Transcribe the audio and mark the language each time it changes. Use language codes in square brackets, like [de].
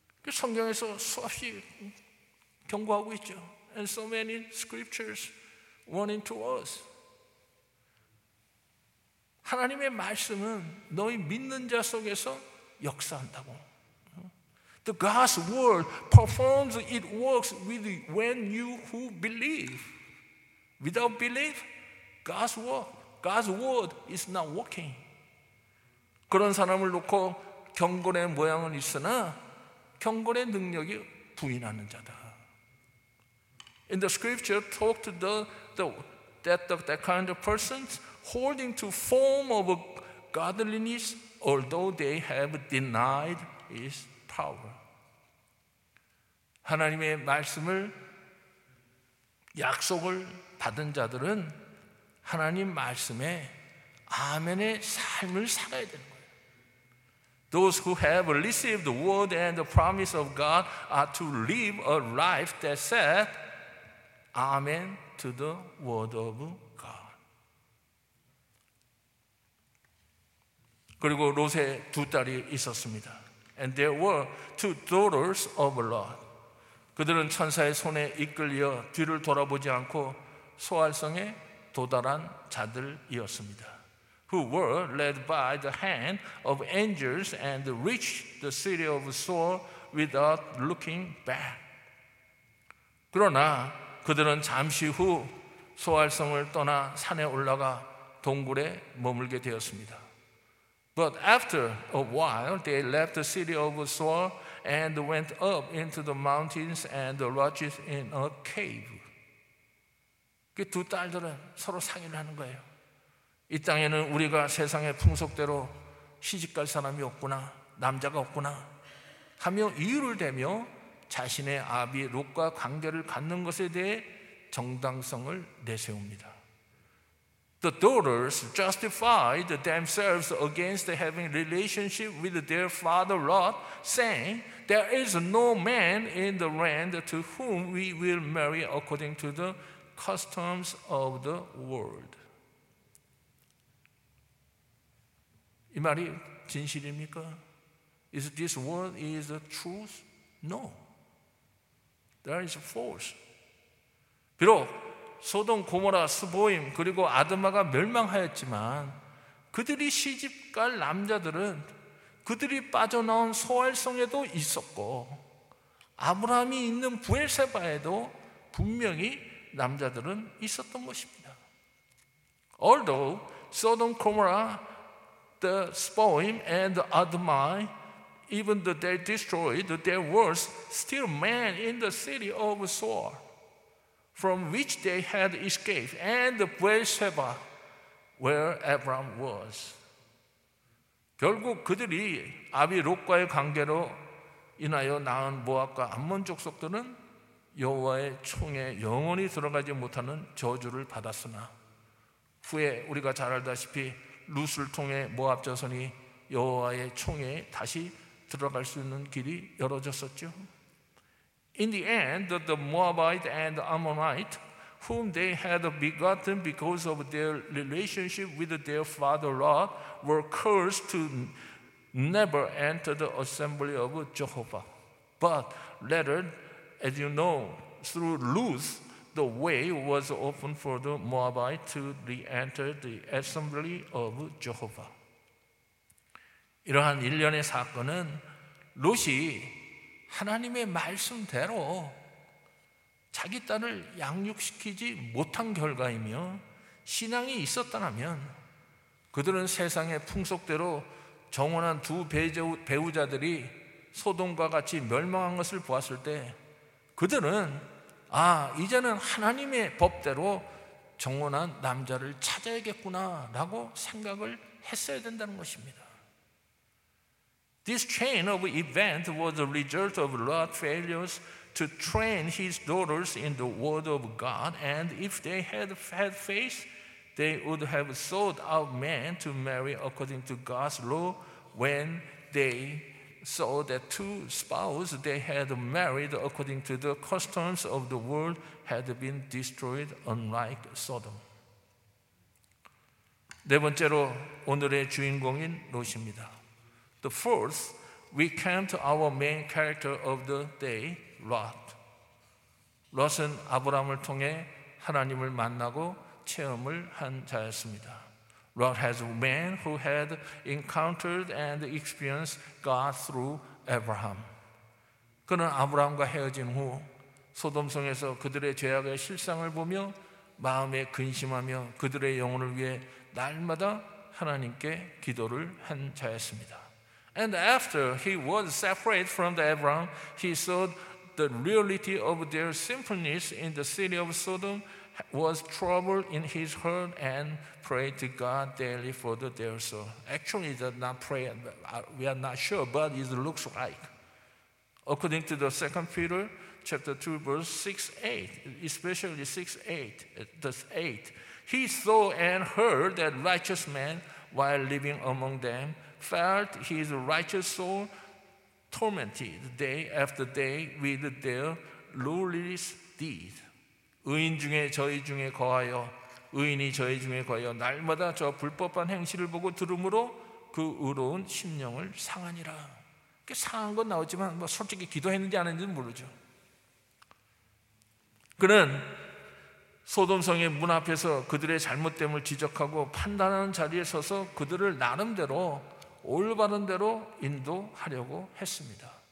[ko] 성경에서 수없이 경고하고 있죠. [en] And so many scriptures warning to us. [ko] 하나님의 말씀은 너희 믿는 자 속에서 역사한다고. [en] The God's word performs its works with when you who believe. Without belief, God's word is not working. [ko] 그런 사람을 놓고 경건의 모양은 있으나 경건의 능력이 부인하는 자다. [en] In the scripture, talk to that kind of persons holding to form of godliness, although they have denied its power. [ko] 하나님의 말씀을 약속을 받은 자들은 하나님 말씀에 아멘의 삶을 살아야 되는 거예요. [en] Those who have received the word and the promise of God are to live a life that says amen to the word of God. [ko] 그리고 롯의 두 딸이 있었습니다. [en] And there were two daughters of Lot. [ko] 그들은 천사의 손에 이끌려 뒤를 돌아보지 않고 소활성에 도달한 자들이었습니다. [en] Who were led by the hand of angels and reached the city of Soar without looking back. [ko] 그러나 그들은 잠시 후 소활성을 떠나 산에 올라가 동굴에 머물게 되었습니다. [en] But after a while they left the city of Soar and went up into the mountains and lodged in a cave. [ko] 그 두 딸들은 서로 상의를 하는 거예요. 이 땅에는 우리가 세상의 풍속대로 시집갈 사람이 없구나, 남자가 없구나 하며 이유를 대며 자신의 아비 롯과 관계를 갖는 것에 대해 정당성을 내세웁니다. [en] The daughters justified themselves against having relationship with their father Lot, saying, There is no man in the land to whom we will marry according to the customs of the world. [ko] 이 말이 진실입니까? [en] Is this word is the truth? No. There is false. [ko] 비록 소돔 고모라 스보임 그리고 아드마가 멸망하였지만 그들이 시집갈 남자들은 그들이 빠져나온 소활성에도 있었고 아브라함이 있는 부엘세바에도 분명히 남자들은 있었던 것입니다. [en] Although Sodom, Gomorrah, the Spoim, and the Admai, even though they destroyed, there was still man in the city of Soar, from which they had escaped, and the Beersheba, where Abraham was. [ko] 결국 그들이 아비 롯과의 관계로 인하여 낳은 모압과 암몬 족속들은 여호와의 총에 영원히 들어가지 못하는 저주를 받았으나 후에 우리가 잘 알다시피 룻을 통해 모압 자손이 여호와의 총에 다시 들어갈 수 있는 길이 열어졌었죠. [en] In the end, the Moabite and Ammonite, whom they had begotten because of their relationship with their father Lot, were cursed to never enter the assembly of Jehovah. But later, as you know, through Ruth, the way was open for the Moabite to re-enter the assembly of Jehovah. [ko] 이러한 일련의 사건은 롯이 하나님의 말씀대로 자기 딸을 양육시키지 못한 결과이며 신앙이 있었다면 그들은 세상의 풍속대로 정혼한 두 배우자들이 소돔과 같이 멸망한 것을 보았을 때 그들은 아 이제는 하나님의 법대로 정혼한 남자를 찾아야겠구나 라고 생각을 했어야 된다는 것입니다. [en] This chain of events was a result of Lot's failures to train his daughters in the word of God, and if they had had faith, they would have sought out men to marry according to God's law when they saw that two spouses they had married according to the customs of the world had been destroyed, unlike Sodom. [ko] 네 번째로 오늘의 주인공인 롯입니다. [en] The fourth, we come to our main character of the day, Lot. [ko] Lot은 아브라함을 통해 하나님을 만나고 체험을 한 자였습니다. [en] Lot has a man who had encountered and experienced God through Abraham. 그는 아브라함과 헤어진 후 소돔성에서 그들의 죄악의 실상을 보며 마음에 근심하며 그들의 영혼을 위해 날마다 하나님께 기도를 한 자였습니다. And after he was separate from the Abraham, he saw the reality of their sinfulness in the city of Sodom was troubled in his heart and prayed to God daily for their soul. Actually, that not pray, we are not sure, but it looks like. According to the 2 Peter chapter 2, verse 6, 8, especially 6, 8, verse 8, he saw and heard that righteous man, while living among them, felt his righteous soul tormented day after day with their lawless deed. [ko] 의인 중에 저희 중에 거하여 의인이 저희 중에 거하여 날마다 저 불법한 행실을 보고 들으므로 그 의로운 심령을 상하니라. 상한 건 나오지만 뭐 솔직히 기도했는지 안 했는지 모르죠. 그는 소돔성의 문 앞에서 그들의 잘못됨을 지적하고 판단하는 자리에 서서 그들을 나름대로 올바른 대로 인도하려고 했습니다.